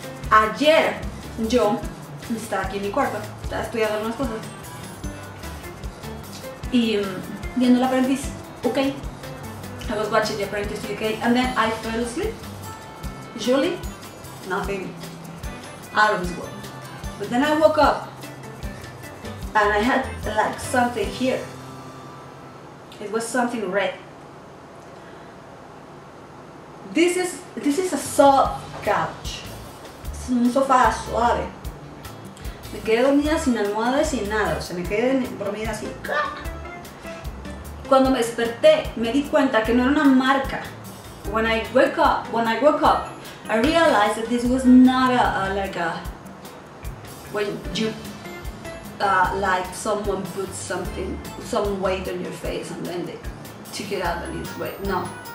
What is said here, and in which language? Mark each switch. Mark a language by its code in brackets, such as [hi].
[es] Ayer, yo estaba aquí en mi cuarto, estaba estudiando unas cosas. Y viendo la Apprentice, ok. [en] I was watching the Apprentice UK, and then I fell asleep. Surely, nothing out of this world. But then I woke up, and I had like something here. It was something red. This is a soft couch. [es] Es un sofá suave. Me quedé dormida sin almohada y sin nada. O sea, me quedé dormida así. Cuando me desperté, me di cuenta que no era una marca. [en] When I woke up, I realized that this was not like a when you like someone puts something, some weight on your face and then they took it out and it's weight. No.